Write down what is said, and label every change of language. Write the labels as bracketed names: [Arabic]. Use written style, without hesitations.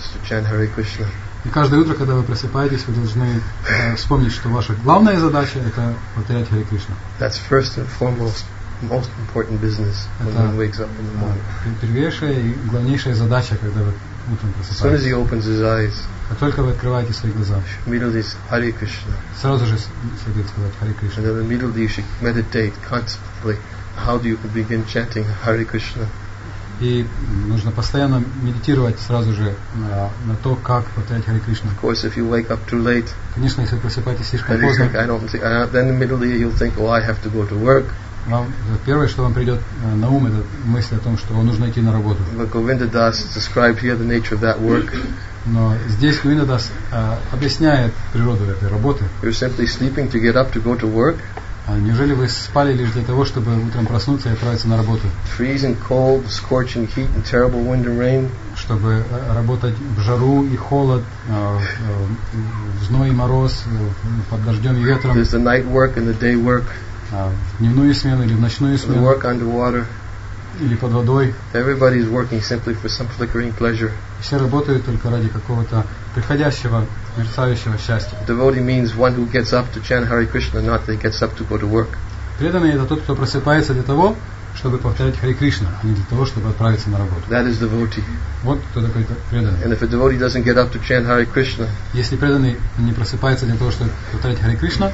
[Russian] И каждое утро, когда вы просыпаетесь, вы должны вспомнить, что ваша главная задача – это повторять Харе Кришна. [English] That's first and foremost. Most important business when one wakes up in the morning. [Russian] Первейшая и главнейшая задача, когда вы утром просыпаетесь. [English] As soon as he opens his eyes, [Russian] как только вы открываете свои глаза, [English] immediately is Hare Krishna. [Russian] Сразу же следует сказать Hare Krishna. [English] And then immediately you should meditate constantly. How do you begin chanting Hare Krishna? [Russian] И нужно постоянно медитировать сразу же на то, как повторять Hare Krishna. [English] Of course, if you wake up too late, [Russian] конечно, если вы просыпаетесь слишком поздно, [English] then immediately you'll think, oh, I have to go to work. [Russian] Вам первое, что вам придет на ум, это мысль о том, что вам нужно идти на работу. [English] But Govinda Das described here the nature of that work. [Russian] Но здесь Govinda Das объясняет природу этой работы. [English] You're simply sleeping to get up to go to work. [Russian] Неужели вы спали лишь для того, чтобы утром проснуться и отправиться на работу? [English] Freezing cold, scorching heat, and terrible wind and rain. [Russian] Чтобы работать в жару и холод, в зной и мороз, под дождем и ветром. [English] There's the night work and the day work. [Russian] В дневную смену или в ночную смену. [English] Work underwater. [Russian] или под водой. [English] Everybody is working simply for some flickering pleasure. [Russian] Все работают только ради какого-то приходящего, мерцающего счастья. [English] Devotee means one who gets up to chant Hare Krishna, not that he gets up to go to work. [Russian] Преданный — это тот, кто просыпается для того, чтобы повторять Хари Кришна, а не для того, чтобы отправиться на работу. [English] That is devotee. [Russian] Вот кто такой преданный. [English] And if a devotee doesn't get up to chant Hare Krishna, [Russian] если преданный не просыпается для того, чтобы повторять Хари Кришна,